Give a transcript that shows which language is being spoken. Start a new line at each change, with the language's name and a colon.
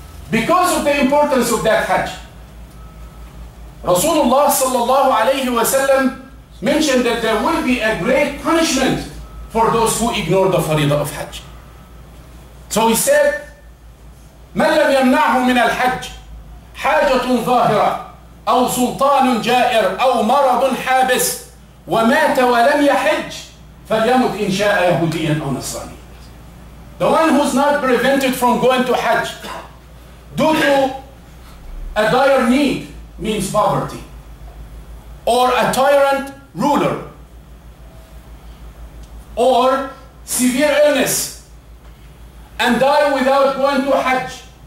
English: Because of the importance of that Hajj, Rasulullah sallallahu alayhi wa sallam mentioned that there will be a great punishment for those who ignore the faridah of Hajj. So he said,
Arabic: من لم يمنعه من الحج حاجة ظاهرة أو سلطان جائر أو مرض حابس ومات ولم يحج فليمت إن شاء يهوديا أو نصرانيا.
English: The one who's not prevented from going to Hajj due to a dire need means poverty or a tyrant ruler or severe illness and die without going to Hajj.